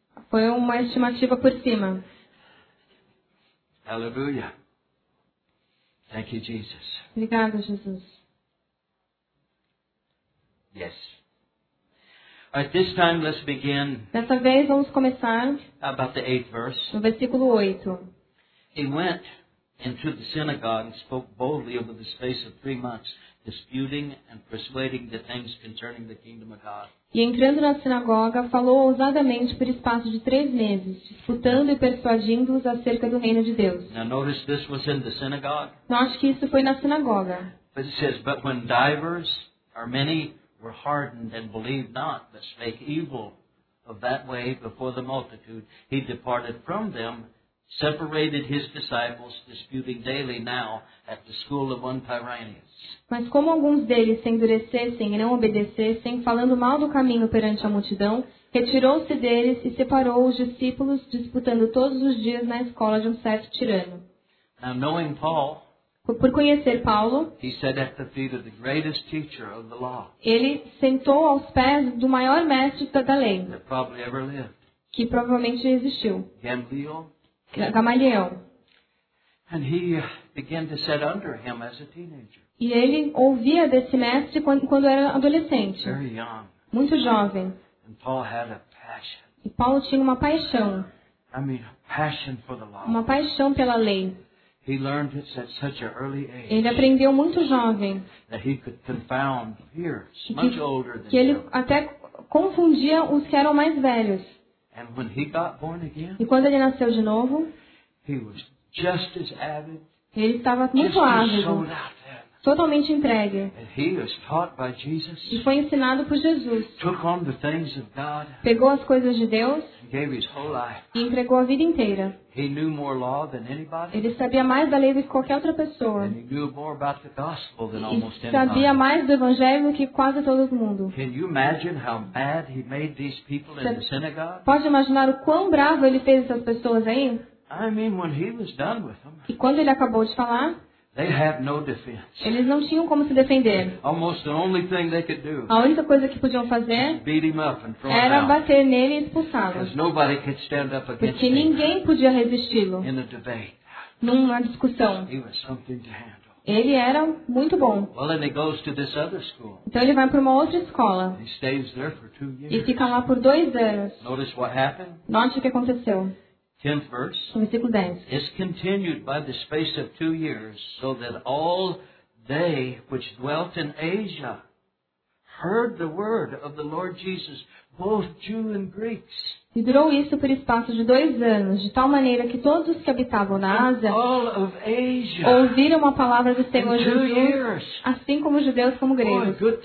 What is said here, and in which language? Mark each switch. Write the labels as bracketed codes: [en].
[pt] Foi uma estimativa por cima. [en] Aleluia. Thank you, Jesus. [pt] Obrigado, Jesus. [en] Yes. All right, this time let's begin. [pt] Dessa vez vamos começar. [en] About the 8th verse. [pt] No versículo 8. [en] He went into the synagogue and spoke boldly over the space of 3 months, disputing and persuading the things concerning the kingdom of God. [pt] E entrando na sinagoga, falou ousadamente por espaço de 3 meses, disputando e persuadindo-os acerca do reino de Deus. [en] Now notice this was in the synagogue. [pt] Note que isso foi na sinagoga. [en] But it says, but when divers, or many, were hardened and believed not, but spake evil of that way before the multitude, he departed from them, separated his disciples, disputing daily now at the school of one Tyrannus. [pt] Mas como alguns deles se endurecessem e não obedecessem, falando mal do caminho perante a multidão, retirou-se deles e separou os discípulos, disputando todos os dias na escola de um certo tirano. [en] Now, knowing Paul, [pt] por conhecer Paulo, [en] he sat at the feet of the greatest teacher of the law, [pt] ele sentou aos pés do maior mestre da lei, [en] that probably ever lived, [pt] que provavelmente existiu, [en] Gamaliel. [pt] Gamaliel. [en] And he began to sit under him as a teenager. [pt] E ele ouvia desse mestre quando era adolescente. [en] Very young. [pt] Muito jovem. [en] And Paul had a passion. [pt] E Paulo tinha uma paixão. [en] I mean, a passion for the law. [pt] Uma paixão pela lei. [en] He learned it at such an early age. [pt] Ele aprendeu muito jovem. [en] That he could confound peers, much older than [pt] que ele até confundia os que eram mais velhos. [en] And when he got born again, [pt] e quando ele nasceu de novo, [en] he was just as avid, [pt] ele estava muito ávido, totalmente entregue. [en] And he was taught by Jesus, [pt] e foi ensinado por Jesus. [en] Took on the things of God, [pt] pegou as coisas de Deus [en] and gave his whole life, [pt] e entregou a vida inteira. [en] He knew more law than anybody, [pt] ele sabia mais da lei do que qualquer outra pessoa. [en] And he knew more about the gospel than almost anybody. [pt] Sabia mais do evangelho que quase todo mundo. [en] Can you imagine how mad he made these people in the synagogue? [pt] Pode imaginar o quão bravo ele fez essas pessoas aí? [en] I mean, when he was done with them, [pt] e quando ele acabou de falar, [en] they had no defense. [pt] Eles não tinham como se defender. [en] Almost the only thing they could do, [pt] a única coisa que podiam fazer, [en] beat him up and throw [pt] era [en] him out, [pt] bater nele e expulsá-lo. [en] Nobody could stand up against, [pt] porque ninguém podia resisti-lo [en] in a debate, [pt] numa discussão. [en] He was something to handle. [pt] Ele era muito bom. [en] Well, then he goes to this other school. [pt] Então ele vai para uma outra escola. [en] He stays there for 2 years. [pt] E fica lá por 2 anos. [en] Notice what happened. [pt] Note o que aconteceu. [en] 10th verse. [pt] No versículo 10. [en] It's continued by the space of 2 years, so that all they which dwelt in Asia heard the word of the Lord Jesus, both Jew and Greeks. [pt] E durou isso por espaço de 2 anos, de tal maneira que todos os que habitavam na Ásia ouviram a palavra do Senhor Jesus, assim como judeus como gregos.